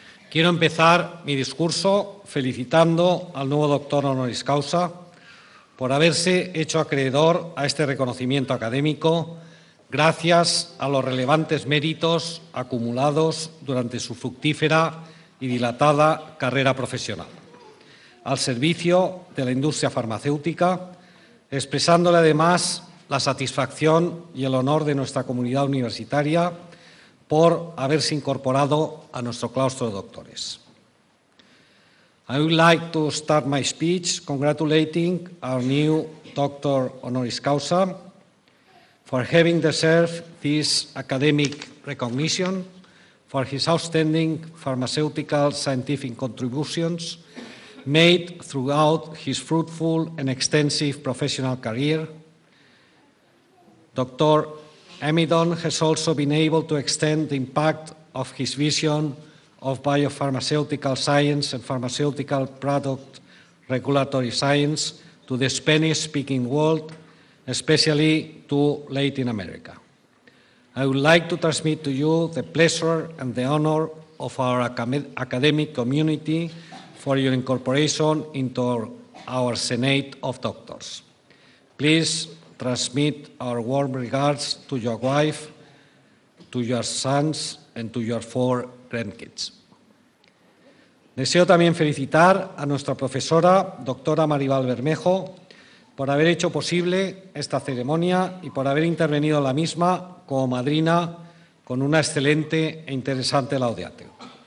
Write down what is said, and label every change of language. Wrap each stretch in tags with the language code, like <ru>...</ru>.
<es>Quiero empezar mi discurso felicitando al nuevo doctor honoris causa por haberse hecho acreedor a este reconocimiento académico gracias a los relevantes méritos acumulados durante su fructífera y dilatada carrera profesional, al servicio de la industria farmacéutica, expresándole además la satisfacción y el honor de nuestra comunidad universitaria por haberse incorporado a nuestro claustro de doctores.</es> <en>I would like to start my speech congratulating our new doctor honoris causa for having deserved this academic recognition for his outstanding pharmaceutical scientific contributions made throughout his fruitful and extensive professional career. Dr. Amidon has also been able to extend the impact of his vision of biopharmaceutical science and pharmaceutical product regulatory science to the Spanish-speaking world, especially to Latin America. I would like to transmit to you the pleasure and the honor of our academic community for your incorporation into our Senate of Doctors. Please transmit our warm regards to your wife, to your sons, and to your four grandkids.</en> <es>Deseo también felicitar a nuestra profesora, doctora Maribel Bermejo, por haber hecho posible esta ceremonia y por haber intervenido en la misma como madrina con una excelente e interesante laudatio.</es>